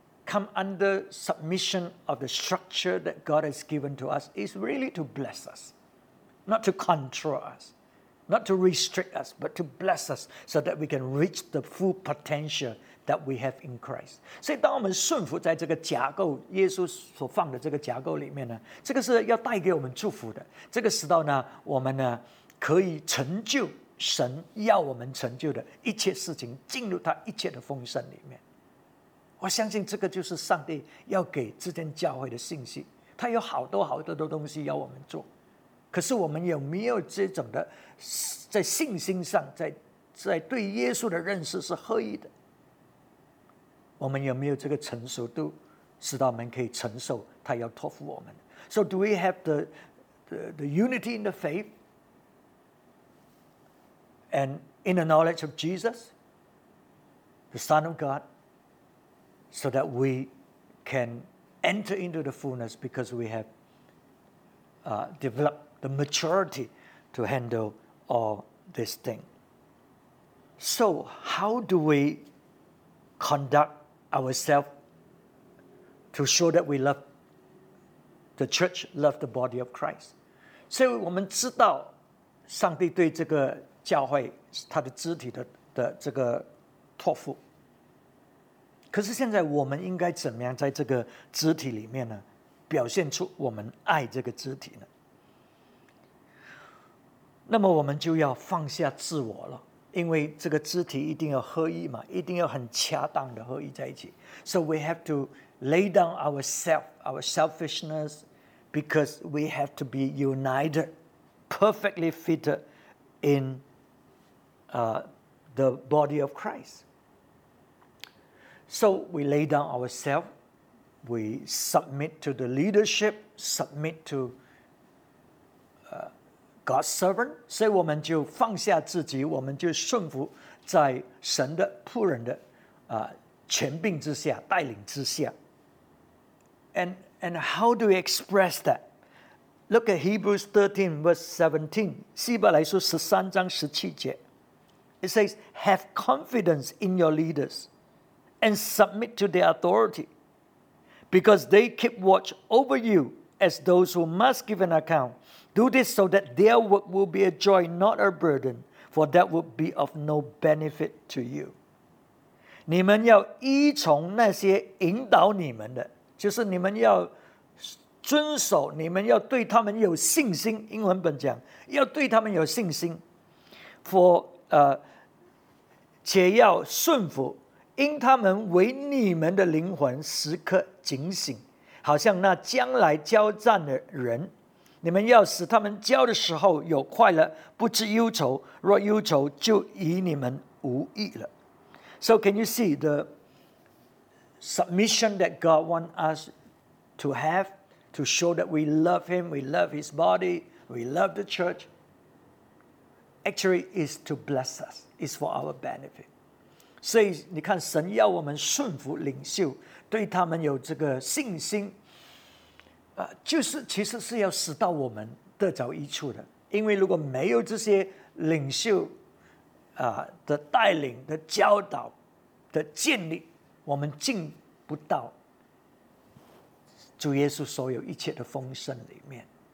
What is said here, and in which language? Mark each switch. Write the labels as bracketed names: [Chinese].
[English] come under submission of the structure that God has given to us is really to bless us, not to control us, not to restrict us, but to bless us so that we can reach the full potential that we have in Christ. [Chinese] 所以当我们顺服在这个架构，耶稣所放的这个架构里面呢，这个是要带给我们祝福的。这个使到呢，我们呢可以成就神要我们成就的一切事情，进入他一切的丰盛里面。我相信这个就是上帝要给这间教会的信息，他有好多好多的东西要我们做，可是我们有没有这种的在信心上 在对耶稣的认识是合一的，我们有没有这个成熟度使到我们可以承受他要托付我们。 [English] So do we have the unity in the faith and in the knowledge of Jesus the Son of GodSo that we can enter into the fullness because we have developed the maturity to handle all this thing. So how do we conduct ourselves to show that we love the church, love the body of Christ? [Chinese] 所以我们知道上帝对这个教会他的肢体 的这个托付。可是现在我们应该怎么样在这个肢体里面呢表现出我们爱这个肢体呢？那么我们就要放下自我了，因为这个肢体一定要合一嘛，一定要很恰当的合一在一起。 [English] So we have to lay down ourselves, our selfishness, because we have to be united, perfectly fitted in the body of ChristSo we lay down ourselves, we submit to the leadership, submit to God's servant. [Chinese] 所以我们就放下自己，我们就顺服在神的仆人的权柄之下，带领之下。 [English] And how do we express that? Look at Hebrews 13 verse 17, [Chinese] 希伯来书十三章十七节。 [English] It says, have confidence in your leaders. And submit to their authority, because they keep watch over you as those who must give an account. Do this so that their work will be a joy, not a burden, for that would be of no benefit to you. [Chinese] 你们要依从那些引导你们的，就是你们要遵守，你们要对他们有信心。英文本讲，要对他们有信心 ，for 且要顺服。因他们为你们的灵魂时刻警醒，好像那将来交战的人，你们要使他们交的时候有快乐，不知忧愁，若忧愁就与你们无益了。 [English] So can you see the submission that God wants us to have to show that we love him, we love his body, we love the church, actually is to bless us, is for our benefit. [Chinese] 所以你看神要我们顺服领袖，对他们有这个信心，就是其实是要使到我们得着益处的。因为如果没有这些领袖的带领的教导的建立，我们进不到主耶稣所有一切的丰盛里面。